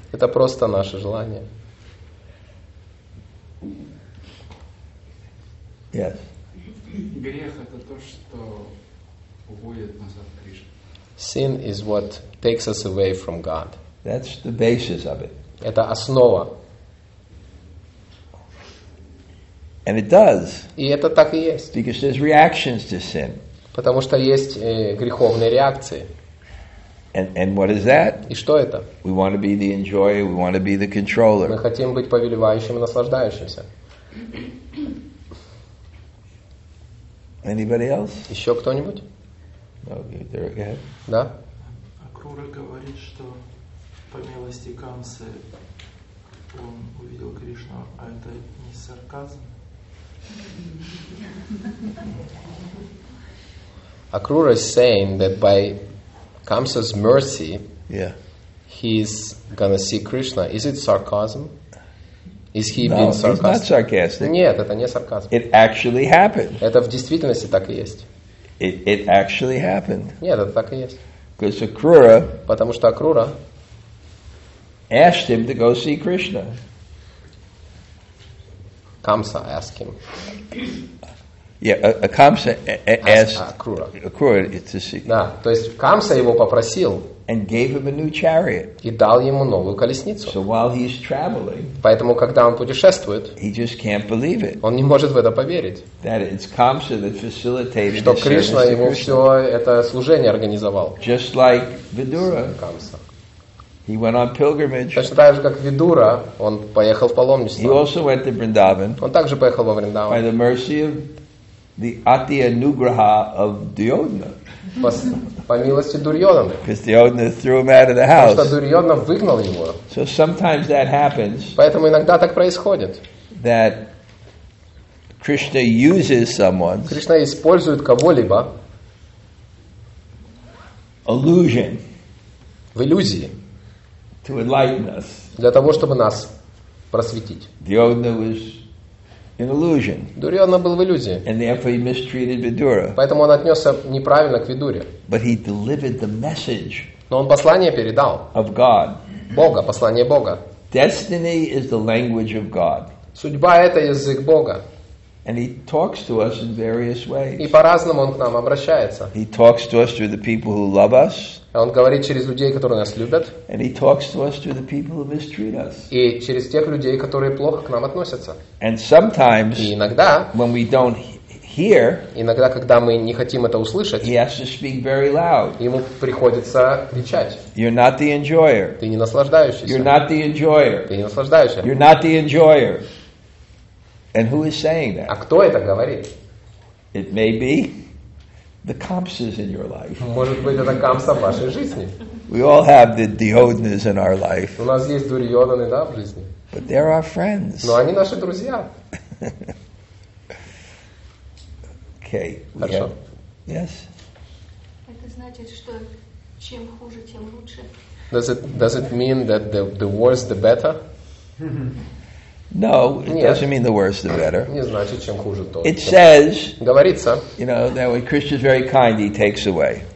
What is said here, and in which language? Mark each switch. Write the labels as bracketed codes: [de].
[ru] Это просто наше желание. [en] Yes. [ru] Грех это то, что уводит нас от Кришны. [en] Sin is what takes us away from God. That's the basis of it. [ru] Это основа. [en] And it does. [ru] И это так и есть. [en] Because there's reactions to sin. [ru] Потому что есть греховные реакции. [en] And what is that? [ru] И что это? [en] We want to be the enjoyer, we want to be the controller. [ru] Мы хотим быть повелевающим и наслаждающимся. [en] Anybody else? [ru] Еще кто-нибудь? [en] No, there again. [ru] Да? Акрура говорит, что по милости Камсы он увидел Кришну, а это не сарказм? [en] Акрура is saying that by Kamsa's mercy, yeah, he's gonna see Krishna. Is it sarcasm? Is he no, being sarcastic? It's not sarcastic. [ru] Нет, это не сарказм. [en] It actually happened. [ru] Это в действительности так и есть. [en] It actually happened. [ru] Нет, это так и есть. [en] Because Akrura, [ru] потому что Акрура [en] asked him to go see Krishna. Kamsa asked him. Yeah, Акамса asked Акрура to see. [ru] Да, то есть Камса его попросил. [en] And gave him a new chariot. [ru] И дал ему новую колесницу. [en] So while he's traveling. [ru] Поэтому когда он путешествует. [en] He just can't believe it. [ru] Он не может в это поверить. [en] That it's Камса that facilitated. [ru] Что Кришна ему все это служение организовал. [en] Just like Видура. [ru] Камса. [en] He went on pilgrimage. [ru] Точно так же, как Видура, он поехал в паломничество. [en] He also went to Vrindavan. [ru] Он также поехал во Вриндаван. [en] By the mercy of the Ati Anugraha of Duryodhana. [ru] По милости Дурьодхана. [en] Because Duryodhana threw him out of the house. [ru] Потому что Дурьодхана выгнал его. [en] So sometimes that happens. [ru] Поэтому иногда так происходит. [en] That Krishna uses someone. [ru] Кришна использует кого-либо. [en] Illusion. [ru] В иллюзии. [en] To enlighten us. [ru] Для того, чтобы нас просветить. [en] Duryodhana was an illusion. [ru] Дурьодхана был в иллюзии. [en] And therefore he mistreated Vidura. [ru] Поэтому он отнесся неправильно к Видуре. [en] But he delivered the message. [ru] Но он послание передал. [en] Of God. [ru] Бога, послание Бога. [en] Destiny is the language of God. [ru] Судьба — это язык Бога. [en] And he talks to us in various ways. [ru] И по-разному он к нам обращается. [en] He talks to us through the people who love us. [ru] Он говорит через людей, которые нас любят. [en] And he talks to us through the people who mistreat us. [ru] И через тех людей, которые плохо к нам относятся. [en] And sometimes, [ru] и иногда, [en] when we don't hear, [ru] иногда, когда мы не хотим это услышать, [en] he has to speak very loud. [ru] Ему приходится кричать. [en] You're not the enjoyer. [ru] Ты не наслаждающийся. [en] You're not the enjoyer. [ru] Ты не наслаждающийся. [en] You're not the enjoyer. And who is saying that? [ru] А кто это говорит? [en] It may be the Kamsas in your life. [ru] Может быть, это Камса в вашей жизни. [en] We all have the Duryodhanas in our life. [ru] У нас есть Дурьодханы, да, в жизни. [en] But they're our friends. [ru] Но они наши друзья. [en] Okay. [ru] Хорошо. [en] Have... Yes. [ru] Это значит, что чем хуже, тем лучше. [en] Does it mean that the worse the better? No, it [ru] Нет. [en] Doesn't mean the worse the better. [ru] Не значит, чем хуже то. [en] It says, [ru] говорится, [en] you know, that when Krishna is very kind, he takes away.